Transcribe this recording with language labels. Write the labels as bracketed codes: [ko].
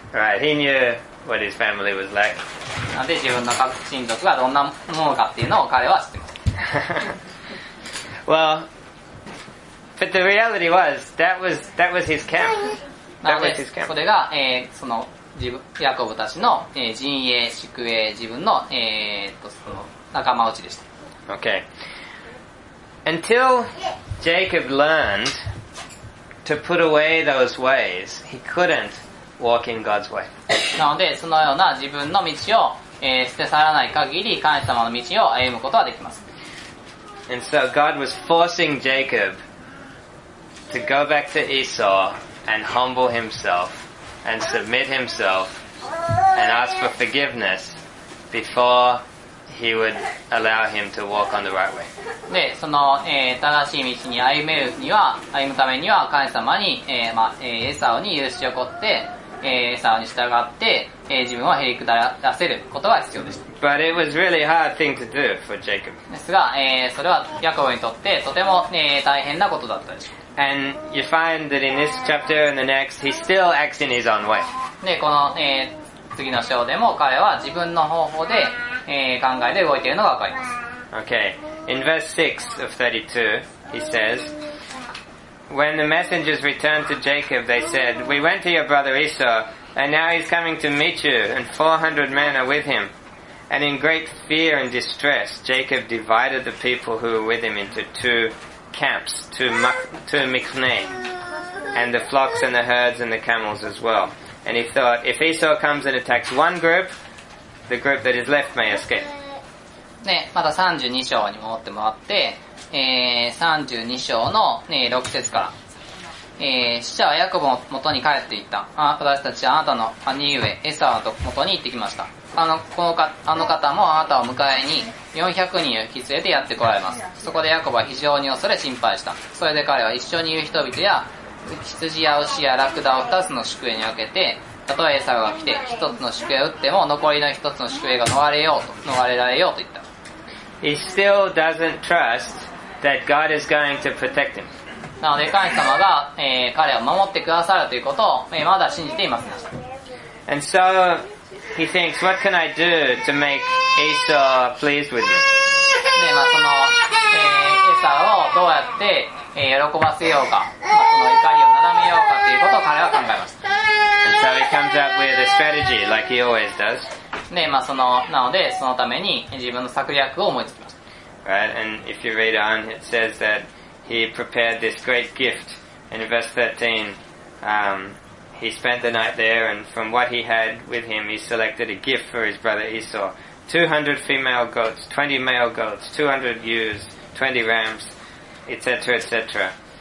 [en] Right, he knew what his family was like. [ja] なんで自分の親族がどんなものかっていうのを彼は知ってます。 [en] Well,But the reality was, that was his camp. That was his camp. [ja] それが、その、ヤコブたちの、陣営、宿営、自分の、その、仲間内でした。 [en] Okay. Until Jacob learned to put away those ways, he couldn't walk in God's way. [ja] なので、そのような自分の道を、捨て去らない限り、神様の道を歩むことはできます。 [en] And so God was forcing Jacob to go back to Esau and humble himself and submit himself and ask for forgiveness before he would allow him to walk on the right way. [ja] で、その、正しい道に歩めるには、歩むためには神様に、まあ、エサオに許しを請って、エサオに従って、自分を減り下らせることが必要でした。 [en] But it was really hard thing to do for Jacob. [ja] ですが、それはヤコブにとってとても、大変なことだったでしょう。 [en] And you find that in this chapter and the next, he still acts in his own way. [ja] で、この、次の章でも彼は自分の方法で、考えで動いているのがわかります。 [en] Okay. In verse 6 of 32, he says, When the messengers returned to Jacob, they said, We went to your brother Esau, and now he's coming to meet you, and 400 men are with him. And in great fear and distress, Jacob divided the people who were with him into two camps, two mikneh, and the flocks and the herds and the camels as well. And he thought, if Esau comes and attacks one group, the group that is left may escape. [ja] ね、また32章に戻ってもらって、32章の、ね、6節から、使者はヤコブの元に帰っていった。私たちはあなたの兄上エサの元に行ってきました。あの方もあなたを迎えに400人を引き連れてやってこられます。そこでヤコブは非常に恐れ心配した。それで彼は一緒にいる人々や羊や牛やラクダを2つの宿営に分けて、たとえエサが来て一つの宿営を打っても残りの一つの宿営が逃れられようと言った。 [en] He still doesn't trust that God is going to protect him. [ja] なので神様が、彼を守ってくださるということを、まだ信じていません。 [en] And so he thinks, what can I do to make Esau pleased with me? [ja] で、まあその、エサをどうやって、喜ばせようか、まあ、その怒りをなだめようかということを彼は考えました。 [en] And so he comes up with a strategy like he always does. [ja] で、まあ、その、なので、そのために、自分の策略を思いつきました。 [en] Right, and if you read on, it says that he prepared this great gift. In verse 13, he spent the night there, and from what he had with him, he selected a gift for his brother Esau. 200 female goats, 20 male goats, 200 ewes, 20 rams, etc., etc.